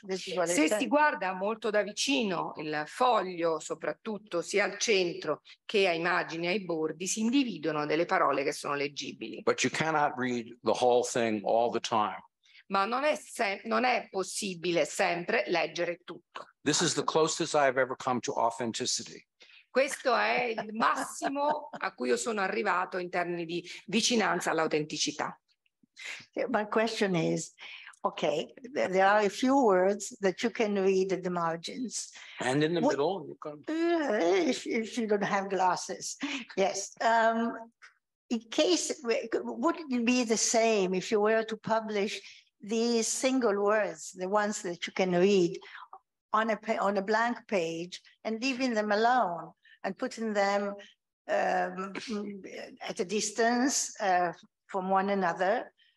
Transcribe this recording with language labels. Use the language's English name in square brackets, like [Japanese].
[Italian] Se si guarda molto da vicino il foglio, soprattutto sia al centro che ai margini, ai bordi, si individuano delle parole che sono leggibili. [English] But you cannot read the whole thing all the time. [Italian] Ma non è possibile sempre leggere tutto. [English] This is the closest I have ever come to authenticity. [Italian] Questo è il massimo a cui io sono arrivato in termini di vicinanza all'autenticità. [English] My question is, okay, there are a few words that you can read at the margins. And in the middle, you can. If you don't have glasses, yes. In case, would it be the same if you were to publish these single words, the ones that you can read, on a blank page and leaving them alone and putting them at a distance from one another?